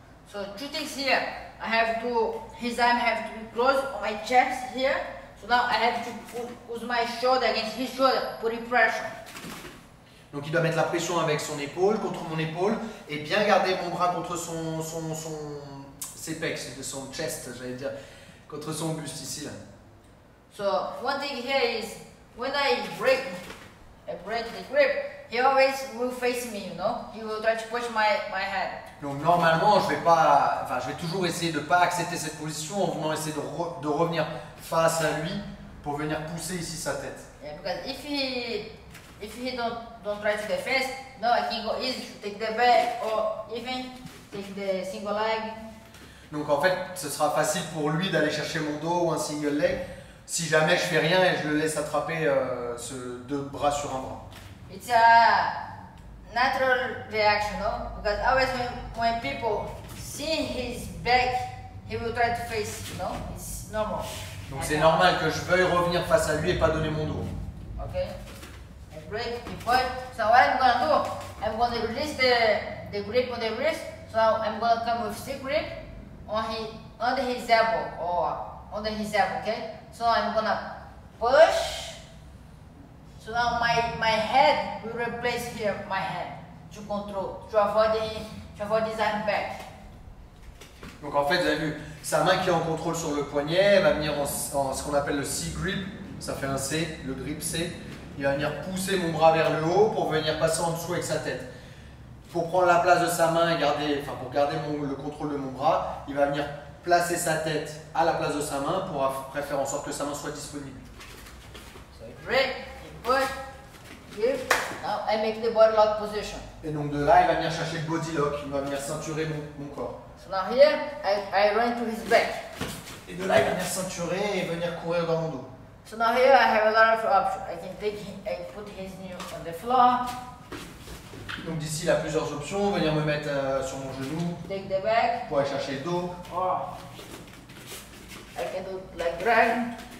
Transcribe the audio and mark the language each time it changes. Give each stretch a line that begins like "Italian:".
English: So two things here, his arm have to be close on my chest here. So now I have to use my shoulder against his shoulder, putting pressure.
French: Donc il doit mettre la pression avec son épaule contre mon épaule et bien garder mon bras contre son chest, j'allais dire, contre son buste ici là.
English: So one thing here is when I break the grip, he always will face me, you know. He will try to push my head.
French: Donc normalement, je vais toujours essayer de ne pas accepter cette position en venant essayer de revenir face à lui pour venir pousser ici sa tête.
English: Yeah, because if he don't try to defend, no, I can go easy to take the back or even take the single leg.
French: Donc en fait, ce sera facile pour lui d'aller chercher mon dos ou un single leg si jamais je fais rien et je le laisse attraper ce deux bras sur un bras.
English: It's a natural reaction, no? Because always when people see his back, he will try to face, you know? It's normal.
French: Donc c'est normal que je veuille revenir face à lui et pas donner mon dos.
English: Ok. I break the point. So what I'm gonna do, I'm gonna release the grip on the wrist. So I'm gonna come with stick grip under his elbow, okay? So I'm gonna push. So now my head will replace here my head to control, to avoid his arm back.
French: Donc en fait, vous avez vu, sa main qui est en contrôle sur le poignet, elle va venir en ce qu'on appelle le C grip, ça fait un C, le grip C. Il va venir pousser mon bras vers le haut pour venir passer en dessous avec sa tête. Pour prendre la place de sa main et garder le contrôle de mon bras, il va venir placer sa tête à la place de sa main pour faire en sorte que sa main soit disponible.
English: So I break, I push, give. Now I make the body lock position.
French: Et donc de là, il va venir chercher le body lock, il va venir ceinturer mon corps.
English: So now here, I run to his back.
French: Et de là, il va venir ceinturer et venir courir dans mon dos.
English: So now here, I have a lot of options. I can take him and put his knee on the floor.
French: Donc d'ici, il a plusieurs options. Venir me mettre sur mon genou.
English: Take the back.
French: Pour aller chercher le dos.
English: Or, I can do like drag.